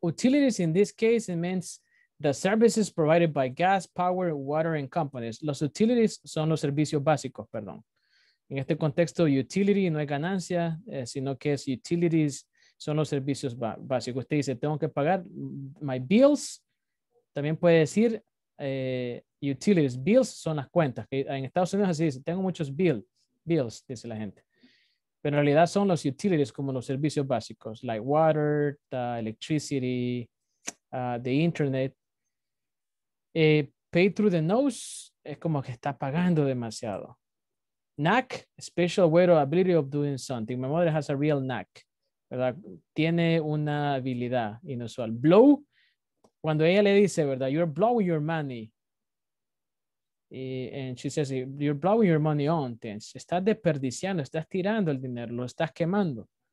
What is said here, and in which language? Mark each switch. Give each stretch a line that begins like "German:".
English: Utilities in this case, it means the services provided by gas, power, water, and companies.
Spanish: Los utilities son los servicios básicos, perdón. En este contexto, utility no es ganancia, sino que es utilities son los servicios básicos. Usted dice, tengo que pagar
English: my bills.
Spanish: También puede decir utilities. Bills son las cuentas. En Estados Unidos así dice, tengo muchos bills, dice la gente. Pero en realidad son los utilities como los servicios básicos,
English: like water, electricity, the internet. Pay through the nose
Spanish: es como que está pagando demasiado.
English: Knack, special way or ability of doing something. My mother has a real knack, ¿verdad?
Spanish: Tiene una habilidad inusual. Blow, cuando ella le dice, ¿verdad?
English: You're blowing your money. And she says, you're blowing your money on things.
Spanish: Estás desperdiciando, estás tirando el dinero, lo estás quemando.